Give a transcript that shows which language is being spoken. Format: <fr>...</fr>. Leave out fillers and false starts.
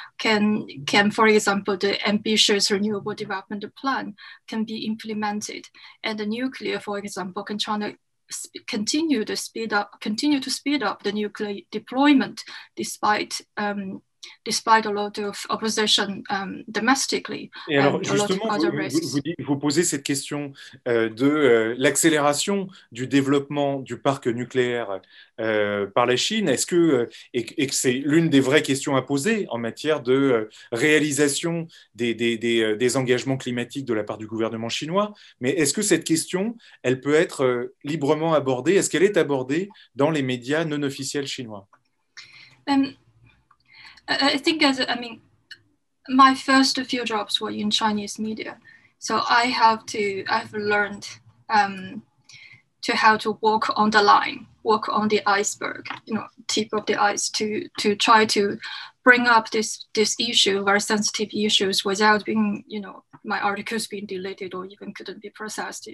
<en>Can, for example, the ambitious renewable development plan can be implemented? And the nuclear, for example, can China continue to speed up the nuclear deployment despite a lot of opposition domestically?</en> <fr>Et alors, justement, vous posez cette question de l'accélération du développement du parc nucléaire par la Chine. Est-ce que, et que c'est l'une des vraies questions à poser en matière de réalisation des engagements climatiques de la part du gouvernement chinois, mais est-ce que cette question, elle peut être librement abordée? Est-ce qu'elle est abordée dans les médias non officiels chinois?</fr> <en>I think, as I mean, My first few jobs were in Chinese media, so I've learned to how to walk on the line, walk on the iceberg, you know, tip of the ice, to try to bring up this issue, very sensitive issues, without being, you know, my articles being deleted or even couldn't be processed.</en>